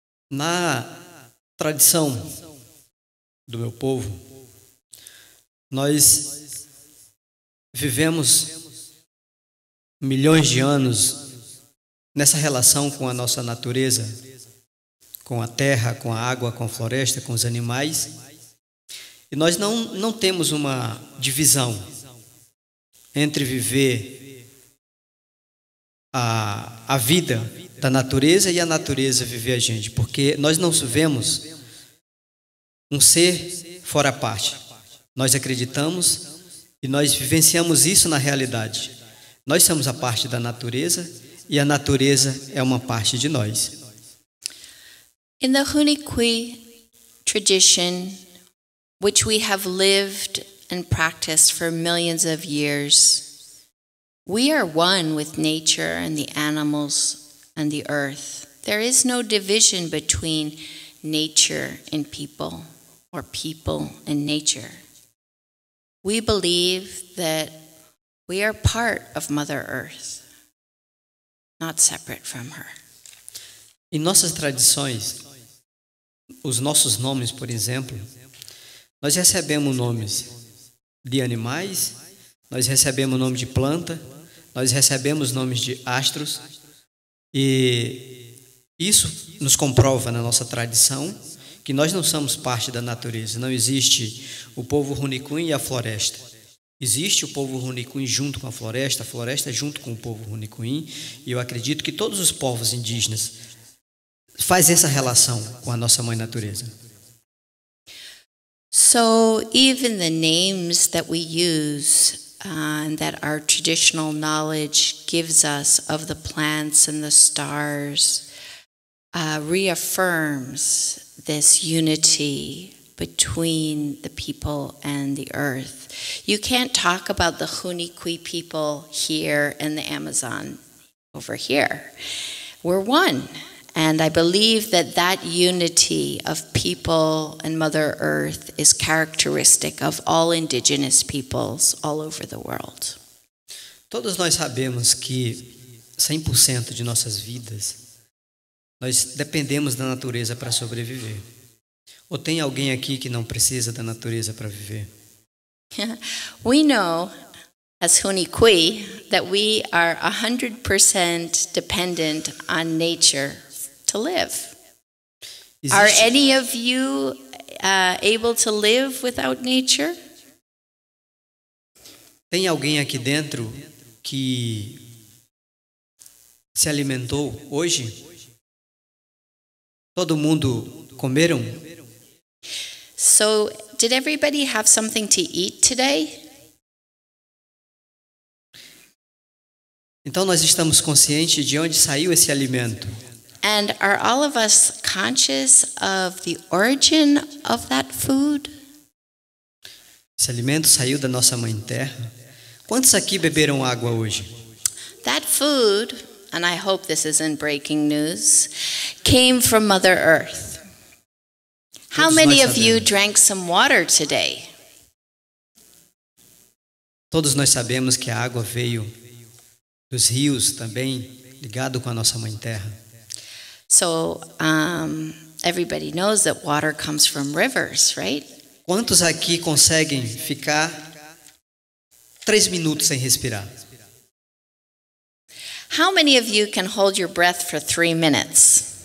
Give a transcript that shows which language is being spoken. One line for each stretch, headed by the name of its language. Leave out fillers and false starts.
Portuguese: Na tradição do meu povo, nós vivemos milhões de anos nessa relação com a nossa natureza, com a terra, com a água, com a floresta, com os animais. E nós não temos uma divisão entre viver a vida da natureza e a natureza viver a gente, porque nós não vemos um ser fora parte. Nós acreditamos e nós vivenciamos isso na realidade. Nós somos a parte da natureza e a natureza é uma parte de nós.
English: In the Huni-Kui tradition, which we have lived and practiced for millions of years, we are one with nature and the animals and the earth. There is no division between nature and people, or people and nature. We believe that we are part of Mother Earth, not separate from her.
Portuguese: Em nossas tradições, os nossos nomes, por exemplo, nós recebemos nomes de animais, nós recebemos nome de planta, nós recebemos nomes de astros, e isso nos comprova na nossa tradição que nós não somos parte da natureza. Não existe o povo Huni-Kui e a floresta. Existe o povo Huni-Kui junto com a floresta junto com o povo Huni-Kui, e eu acredito que todos os povos indígenas fazem essa relação com a nossa mãe natureza.
English: So even the names that we use and that our traditional knowledge gives us of the plants and the stars reaffirms this unity between the people and the earth. You can't talk about the Huni-Kui people here and the Amazon over here. We're one. And I believe that that unity of people and Mother Earth is characteristic of all indigenous peoples all over the world.
Portuguese: Todos nós sabemos que 100% de nossas vidas nós dependemos da natureza para sobreviver. Ou tem alguém aqui que não precisa da natureza para viver?
English: We know, as Huni-Kui, that we are 100% dependent on nature to live.
Portuguese: Existe.
English: Are any of you able to live without nature?
Portuguese: Tem alguém aqui dentro que se alimentou hoje? Todo mundo comeram?
English: So, did everybody have something to eat today?
Portuguese: Então nós estamos conscientes de onde saiu esse alimento.
English: And are all of us conscious of the origin of that food?
Portuguese: Esse alimento saiu da nossa mãe terra. Quantos aqui beberam água hoje?
English: That food, and I hope this isn't breaking news, came from Mother Earth. How many of you drank some water today?
Portuguese: Todos nós sabemos que a água veio dos rios também, ligado com a nossa mãe terra.
English: So, everybody knows that water comes from rivers, right?
Portuguese: Quantos aqui conseguem ficar 3 minutos sem respirar?
English: How many of you can hold your breath for 3 minutes?